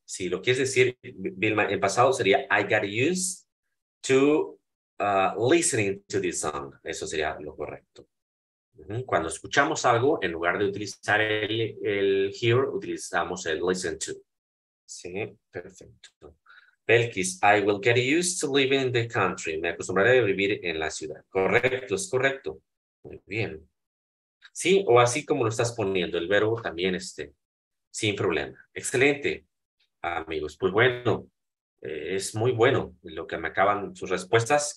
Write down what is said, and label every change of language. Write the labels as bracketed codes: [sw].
[es] Si lo quieres decir, Vilma, en pasado sería [en] I got used to listening to this song. [es] Eso sería lo correcto. Uh-huh. Cuando escuchamos algo, en lugar de utilizar el hear, utilizamos el listen to. Sí, perfecto. [en] Belkis, I will get used to living in the country. [es] Me acostumbraré a vivir en la ciudad. Correcto, es correcto. Muy bien. Sí, o así como lo estás poniendo, el verbo también sin problema. Excelente, amigos. Pues bueno, es muy bueno lo que me acaban sus respuestas.